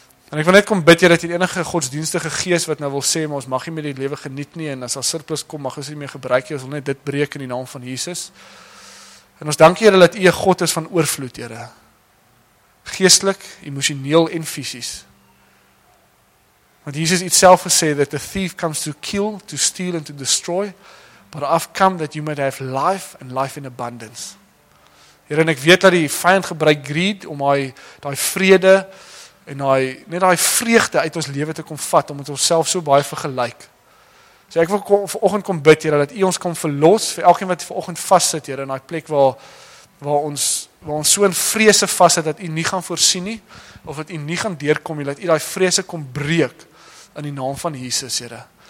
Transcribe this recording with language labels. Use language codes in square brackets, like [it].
[af] En ek wil net kom bid, Here, dat die enige godsdienstige gees wat nou wil sê, maar ons mag nie meer die lewe geniet nie, en as daar surplus kom, mag ons nie meer gebruik, ons wil net dit breek in die naam van Jesus. En ons dankie, Here, dat U een God is van oorvloed, Here. Geestelik, emotioneel en fysies. Want Jesus het self gesê, [en] that the thief comes to kill, to steal and to destroy, but I've come that you might have life and life in abundance. [af] Here, en ek weet dat die vijand gebruik greed, om die vrede en net die vreugde uit ons leven te kom vat, om het ons self so baie vergelyk. So ek wil vanoggend kom bid, Here, dat U ons kom verlos, vir elkeen wat vanoggend vast sit, Here, in die plek waar ons so in vrese vast sit, dat U nie gaan voorsien nie, of dat U nie gaan deurkom nie, dat U die vrese kom breek in die naam van Jesus, Here.